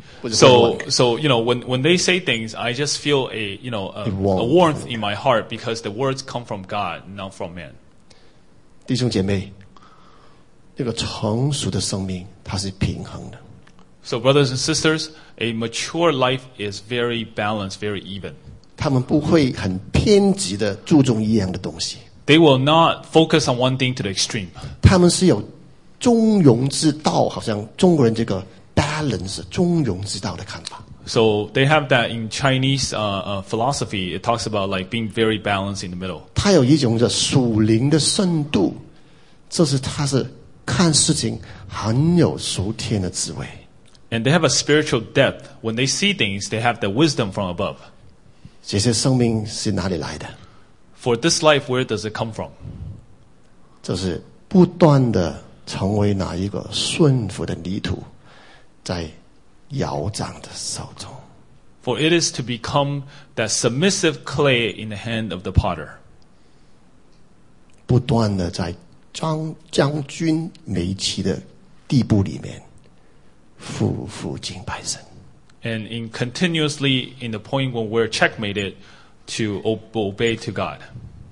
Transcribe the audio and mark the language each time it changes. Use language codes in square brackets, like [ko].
[en] So, you know, when they say things, I just feel a warmth in my heart because the words come from God, not from man. [zh] 弟兄姐妹，一个成熟的生命，它是平衡的。 [en] So, brothers and sisters, a mature life is very balanced, very even. [zh] 他们不会很偏执的注重一样的东西。 [en] They will not focus on one thing to the extreme. [zh] 他们是有中庸之道，好像中国人这个 balance 中庸之道的看法。 [en] So they have that in Chinese philosophy. It talks about like being very balanced in the middle. [zh] 他有一种叫属灵的深度，这是他是看事情很有属天的智慧。 [en] And they have a spiritual depth. When they see things, they have the wisdom from above. [zh] 这些生命是哪里来的？ [en] For this life, where does it come from? [zh] 就是不断的成为哪一个顺服的泥土，在窑长的手中。 [en] For it is to become that submissive clay in the hand of the potter. [zh] 不断的在将军美其的地步里面，俯伏敬拜神。 [en] And in continuously in the point when we're checkmated to obey to God.